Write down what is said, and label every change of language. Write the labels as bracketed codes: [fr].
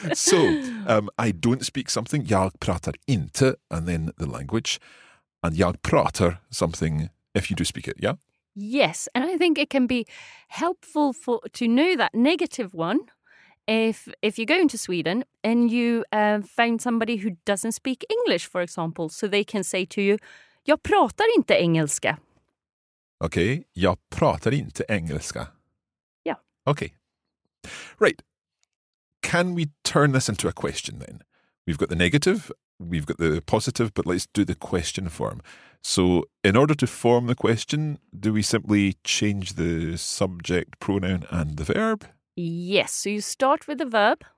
[en] So I don't speak something, [sv] jag pratar inte, [en] and then the language, and [sv] jag pratar [en] something if you do speak it, yeah? Yes, and I think it can be helpful to know that negative one. If you're going to Sweden and you find somebody who doesn't speak English, for example, so they can say to you, [sv] jag pratar inte engelska. Okay, jag pratar inte engelska. [en] Yeah. Okay. Right. Can we turn this into a question then? We've got the negative, we've got the positive, but let's do the question form. So in order to form the question, do we simply change the subject, pronoun and the verb? Yes, so you start with the verb.